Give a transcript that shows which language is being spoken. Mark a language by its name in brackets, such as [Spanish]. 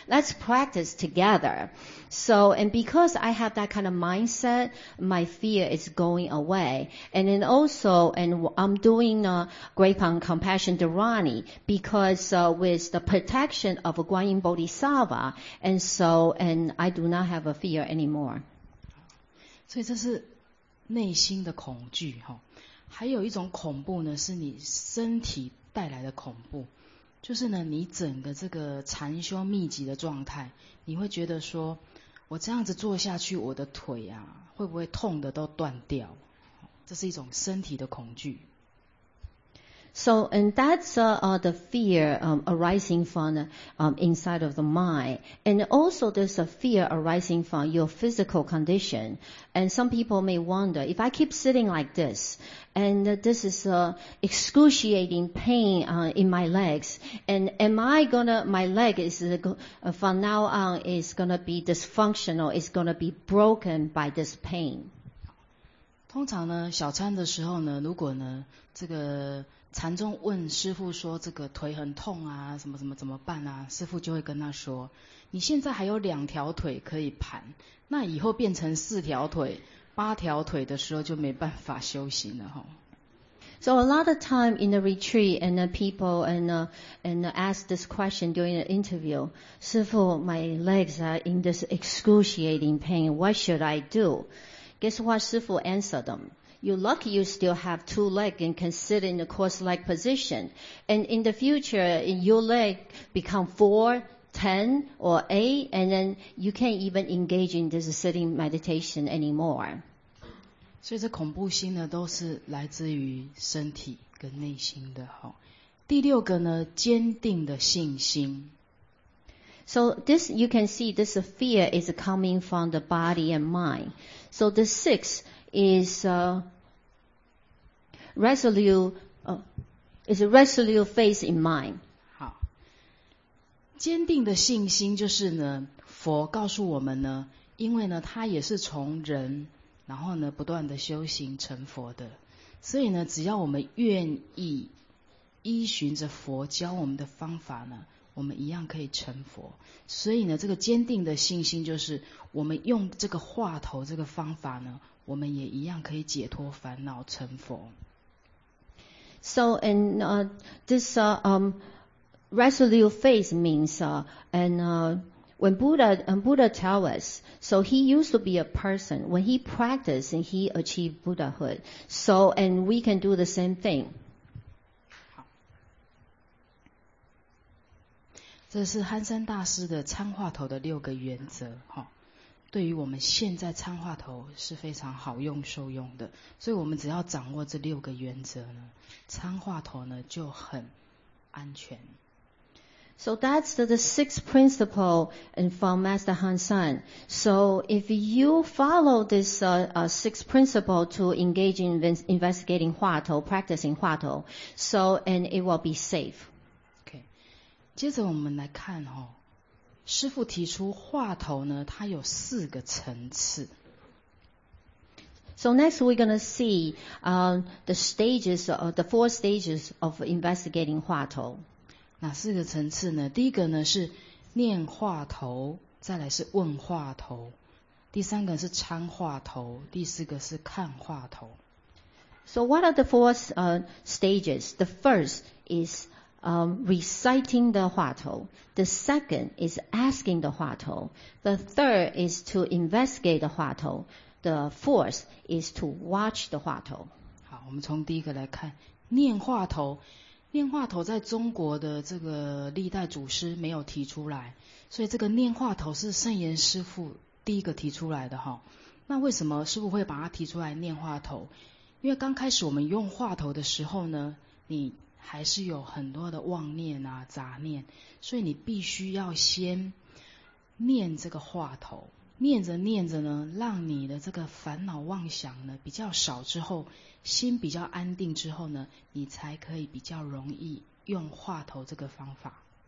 [English] Let's practice together. So, and because I have that kind of mindset, my fear is going away. And then also, and I'm doing a great compassion dharani because with the protection of a Guanyin Bodhisattva, and so, and I do not have a fear anymore. [Chinese] 所以这是内心的恐惧、哦、还有一种恐怖呢，是你身体带来的恐怖，就是呢，你整个这个禅修密集的状态，你会觉得说，我这样子坐下去，我的腿啊，会不会痛的都断掉？这是一种身体的恐惧。 [English] So, and that's the fear arising from inside of the mind. And also there's a fear arising from your physical condition. And some people may wonder, if I keep sitting like this, and this is excruciating pain in my legs, and am I gonna, my leg is, from now on, is gonna be dysfunctional, is gonna be broken by this pain. [Chinese] 通常呢，小餐的时候呢，如果呢，这个禅宗问师父说这个腿很痛啊什么什么怎么办啊，师父就会跟他说，你现在还有两条腿可以盘，那以后变成四条腿八条腿的时候就没办法修行了齁。 [English] So a lot of time in the retreat and the people and ask this question during the interview, 师父 my legs are in this excruciating pain, what should I do? Guess what 师父 answer them? You're lucky you still have two legs and can sit in a cross-legged position. And in the future, your leg become 4, 10, or 8, and then you can't even engage in this sitting meditation anymore. [Chinese] 所以这恐怖心呢，都是来自于身体跟内心的。第六个呢，坚定的信心。 [English] So this, you can see this fear is coming from the body and mind. So the sixth is resolute faith in mind. [Chinese] 好，坚定的信心就是呢，佛告诉我们呢，因为呢，他也是从人，然后呢，不断的修行成佛的，所以呢，只要我们愿意依循着佛教我们的方法呢，我们一样可以成佛。所以呢，这个坚定的信心就是我们用这个话头这个方法呢，我们也一样可以解脱烦恼成佛。 [English] So and this resolute faith means when Buddha tell us, so he used to be a person. When he practiced and he achieved Buddhahood, so and we can do the same thing. [Chinese] 这是憨山大师的参话头的六个原则，哈、哦。对于我们现在参话头是非常好用受用的，所以我们只要掌握这六个原则呢，参话头呢就很安全。 [English] So that's the sixth principle and from Master Han San. So if you follow this sixth principle to engage in investigating 话头, practicing 话头, so and it will be safe. [Chinese] Okay. 接着我们来看哦，师父提出话头呢，它有四个层次。 [English] So next we're going to see the stages of the four stages of investigating 话头。 [Chinese] 哪四个层次呢？第一个呢是念话头，再来是问话头，第三个是参话头，第四个是看话头。 [English] So what are the four stages? The first is reciting the 话头, the second is asking the 话头, the third is to investigate the 话头, the fourth is to watch the 话头。 [Chinese] 好，我们从第一个来看念话头。念话头在中国的这个历代祖师没有提出来，所以这个念话头是圣严师父第一个提出来的哈。那为什么师父会把它提出来念话头？因为刚开始我们用话头的时候呢，你还是有很多的妄念啊、杂念，所以你必须要先念这个话头，念着念着呢，让你的这个烦恼妄想呢比较少之后，心比较安定之后呢，你才可以比较容易用话头这个方法。